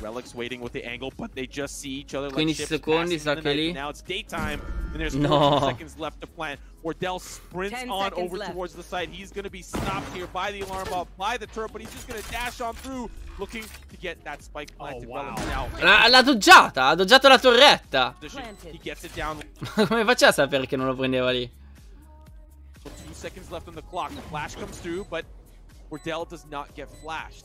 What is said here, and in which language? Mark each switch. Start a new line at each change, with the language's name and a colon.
English: Relics waiting with the angle, but they just see each other like ships passing in the night. Now it's daytime and there's 40 seconds left to plant. Wardell sprints on over towards the site. He's going to be stopped here by the alarm bot, by the turret, but he's just going to dash on through looking to get that spike planted. Oh, wow.
Italian: L'ha doggiato la torretta.
English: He gets it down.
Italian: Come faceva a sapere che non lo prendeva lì?
English: 2 seconds left on the clock. The flash comes through, but Wardell does not get flashed.